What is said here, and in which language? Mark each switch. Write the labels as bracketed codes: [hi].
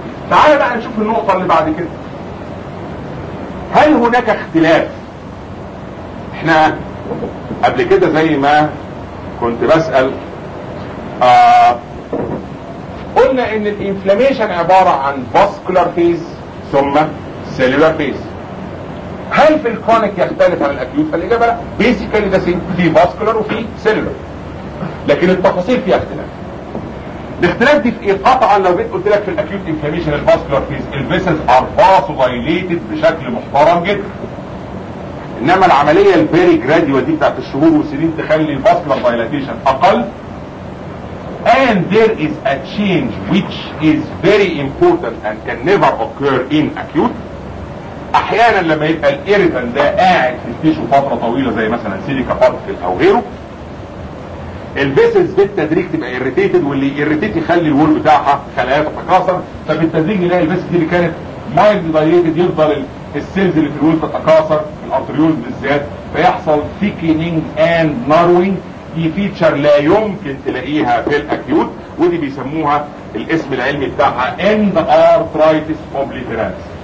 [ar] تعال بقى نشوف النقطه اللي بعد كده، هل هناك اختلاف؟ احنا قبل كده زي ما كنت بسال قلنا ان الانفلاميشن عباره عن فاسكولار فيز ثم سيلولار فيز، هل في الكرونيك يختلف عن الاكيوت؟ فالاجابه لا، [en] basically ده same, [ar] في فاسكولار وفي سيلولار، لكن التفاصيل فيها اختلاف. الاختلاف دي في ايه؟ قطعا لو جيت قلت لك في الاكيوت انفلاميشن الفاسكولار فيز [en] الفيسلز are vasodilated [ar] بشكل محترم جدا، انما العمليه [en] الفيري جراديوال [ar] دي بتاعت الشهور والسنين تخلي الفاسكولار دايلاتيشن اقل. [en] And there is a change which is very important and can never occur in acute. [ar] احيانا لما يبقى الايريتان ده قاعد في التيشو فتره طويله زي مثلا سيليكا بارتكل او غيره الفيسلز بالتدريج تبقى ايريتيتد، واللي ايريتيت يخلي الوول بتاعها خلايا تتكاثر، فبالتدريج يلاقي الفيسلز اللي كانت مايلد دايليتد يفضل السيلز اللي في الوول تتكاثر الارتريول بالذات فيحصل [en] thickening and narrowing, [ar] دي فيتشر لا يمكن تلاقيها في الاكيوت، ودي بيسموها الاسم العلمي بتاعها اند ارترايتس اوبليترانس.